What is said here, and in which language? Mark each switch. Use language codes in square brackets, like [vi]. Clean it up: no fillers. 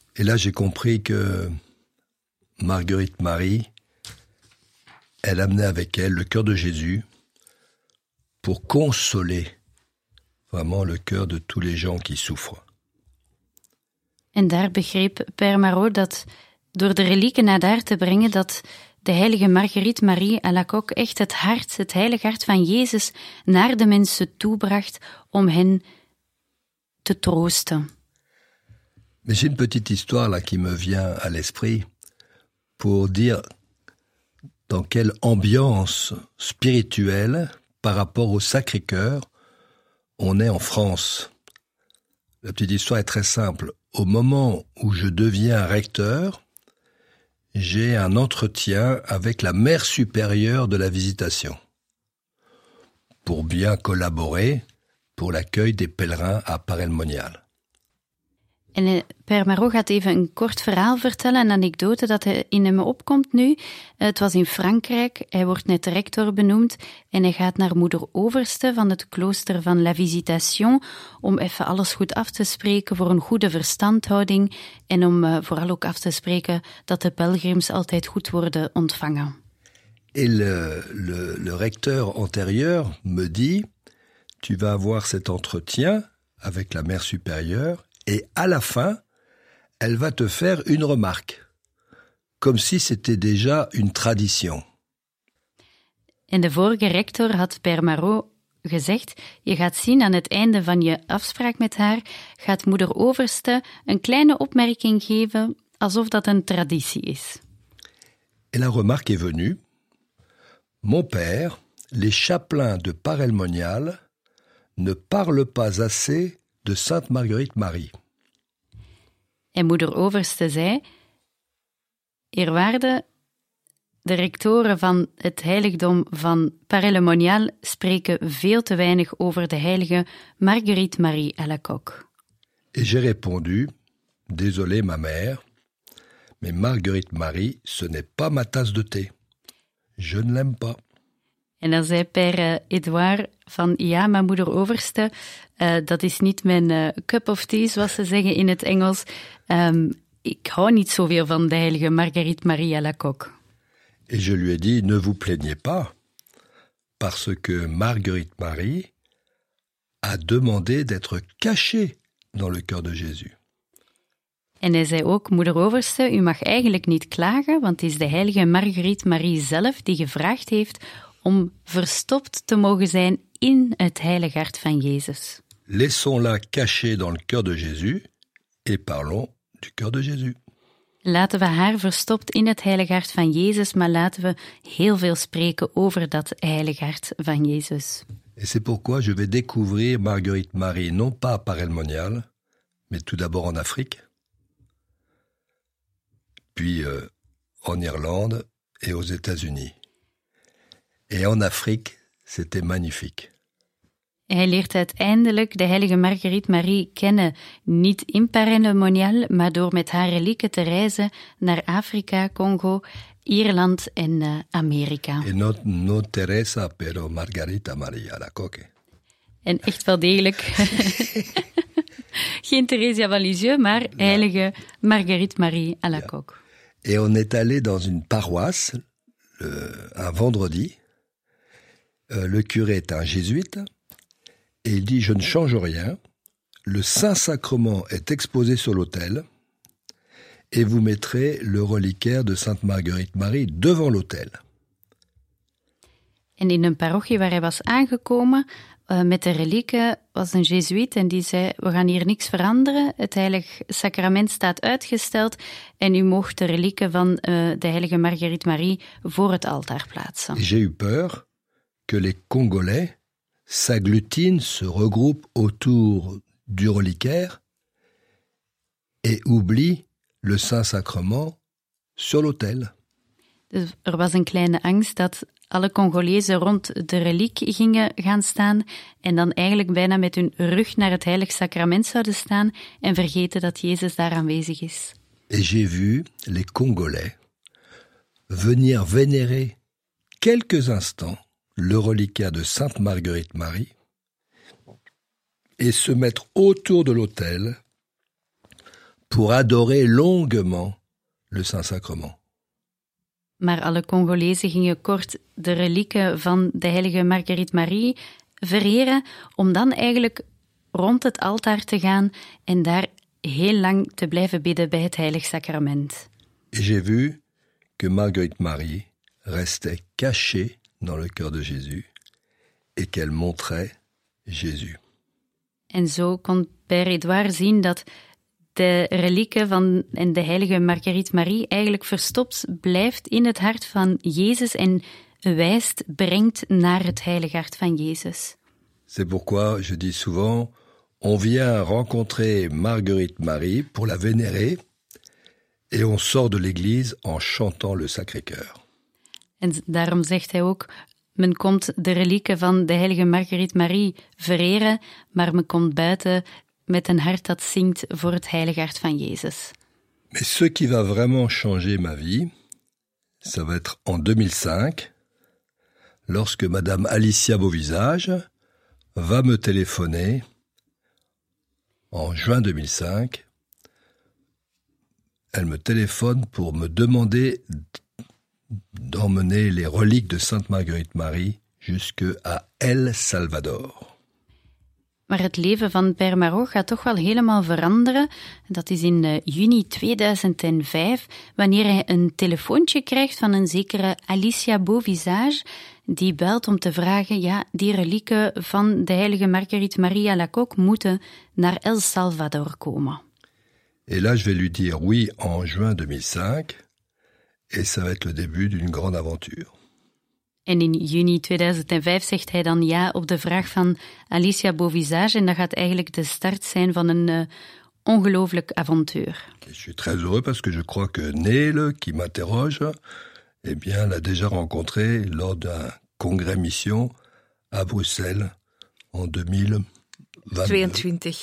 [fr] En là, j'ai compris que Marguerite Marie, elle amenait avec elle le cœur de Jésus pour consoler vraiment le cœur de tous les gens qui souffrent. [nl] En daar begreep Père Marot dat door de relieken naar daar te brengen, dat de heilige Marguerite Marie à la Coque echt het hart, het heilig hart van Jezus, naar de mensen toebracht om hen te troosten. [fr] Mais j'ai une petite histoire là qui me vient à l'esprit pour dire dans quelle ambiance spirituelle par rapport au Sacré-Cœur on est en France. La petite histoire est très simple. Au moment où je deviens recteur, j'ai un entretien avec la mère supérieure de la Visitation pour bien collaborer pour l'accueil des pèlerins à Paray-le-Monial. [nl] En Père Marot gaat even een kort verhaal vertellen, een anekdote dat in hem opkomt nu. Het was in Frankrijk, hij wordt net rector benoemd en hij gaat naar moeder Overste van het klooster van La Visitation om even alles goed af te spreken voor een goede verstandhouding en om vooral ook af te spreken dat de pelgrims altijd goed worden ontvangen. [fr] En le recteur antérieur me dit, tu vas avoir cet entretien avec la mère supérieure. Et à la fin, elle va te faire une remarque, comme si c'était déjà une tradition. [nl] En de vorige rector had Père Marot gezegd, je gaat zien aan het einde van je afspraak met haar, gaat moeder Overste een kleine opmerking geven, alsof dat een traditie is. [fr] Et la remarque est venue. Mon père, les chapelains de Paray-le-Monial ne parlent pas assez de Sainte Marguerite Marie. [nl] En moeder Overste zei, eerwaarde, de rectoren van het heiligdom van Paray-le-Monial spreken veel te weinig over de heilige Marguerite Marie à la Coque. [fr] Et j'ai répondu, désolé ma mère, mais Marguerite Marie, ce n'est pas ma tasse de thé. Je ne l'aime pas. [nl] En dan zei Père Edouard van, ja, mijn moeder Overste, dat is niet mijn [en] cup of tea, [nl] zoals ze zeggen in het Engels. Ik hou niet zoveel van de heilige Marguerite Marie à la Coque. [fr] Et je lui ai dit, ne vous plaignez pas, parce que Marguerite Marie a demandé d'être cachée dans le cœur de Jésus. [nl] En hij zei ook, moeder Overste, u mag eigenlijk niet klagen, want het is de heilige Marguerite Marie zelf die gevraagd heeft om verstopt te mogen zijn in het heilig hart van Jezus. [fr] Laissons-la cacher dans le cœur de Jésus et parlons du cœur de Jésus. [nl] Laten we haar verstopt in het heilig hart van Jezus, maar laten we heel veel spreken over dat heilig hart van Jezus. [fr] Et c'est pourquoi je vais découvrir Marguerite Marie non pas à Paray-le-Monial, mais tout d'abord en Afrique, puis en Irlande et aux États-Unis. Et en Afrique, c'était magnifique. [nl] Hij leert uiteindelijk de heilige Marguerite Marie kennen, niet in Paray-le-Monial, maar door met haar relieken te reizen naar Afrika, Congo, Ierland en Amerika. [es] En no Teresa, pero Margarita Maria à la Coque. [nl] En echt wel degelijk. Geen Theresia van Lisieux, maar heilige Marguerite Marie à la Coque. [fr] Et on est allé dans une paroisse, un vendredi. Le curé est un jésuite et il dit « Je ne change rien, le Saint-Sacrement est exposé sur l'autel et vous mettrez le reliquaire de Sainte Marguerite Marie devant l'autel. » [nl] En in een parochie waar hij was aangekomen met de relieken was een jezuïet en die zei, we gaan hier niks veranderen. Het heilig sacrament staat uitgesteld en u mocht de relieken van de heilige Marguerite Marie voor het altaar plaatsen. [fr] J'ai eu peur que les Congolais s'agglutinent, se regroupent autour du reliquaire et oublient le Saint-Sacrement sur l'autel. [nl] Dus er was een kleine angst dat alle Congolezen rond de reliek gingen gaan staan en dan eigenlijk bijna met hun rug naar het heilig sacrament zouden staan en vergeten dat Jezus daar aanwezig is. [fr] Et j'ai vu les Congolais venir vénérer quelques instants le reliquaire de Sainte Marguerite Marie et se mettre autour de l'autel pour adorer longuement le Saint-Sacrement. [nl] Maar alle Congolezen gingen kort de relieken van de heilige Marguerite Marie vereren om dan eigenlijk rond het altaar te gaan en daar heel lang te blijven bidden bij het heilig sacrament. [fr] J'ai vu que Marguerite Marie restait cachée dans le cœur de Jésus et qu'elle montrait Jésus. [nl] En zo kon Père Édouard zien dat de relieken van en de heilige Marguerite Marie eigenlijk verstopt blijft in het hart van Jezus en wijst, brengt naar het heilige hart van Jezus. [fr] C'est pourquoi je dis souvent, on vient rencontrer Marguerite Marie pour la vénérer et on sort de l'église en chantant le Sacré-Cœur. [nl] En daarom zegt hij ook, men komt de relieken van de heilige Marguerite Marie vereren, maar men komt buiten met een hart dat zingt voor het heilige hart van Jezus. [fr] Mais ce qui va vraiment changer ma vie, ça va être en 2005, lorsque madame Alicia Beauvisage va me téléphoner en juin 2005. Elle me téléphone pour me demander d'emmener les reliques de Sainte Marguerite Marie jusque à El Salvador. [nl] Maar het leven van Père Maroch gaat toch wel helemaal veranderen. Dat is in juni 2005, wanneer hij een telefoontje krijgt van een zekere Alicia Beauvisage, die belt om te vragen, ja, die relieken van de heilige Marguerite Marie à la Coque moeten naar El Salvador komen. [fr] Et là, je vais lui dire oui en juin 2005, et ça va être le début d'une grande aventure. [nl] En in juni 2005 zegt hij dan ja op de vraag van Alicia Beauvisage en dat gaat eigenlijk de start zijn van een ongelooflijk avontuur. Ik ben [fr] très heureux parce que je crois que Neil, qui m'interroge, eh bien, l'a déjà rencontré lors d'un congrès mission à Bruxelles en 2022.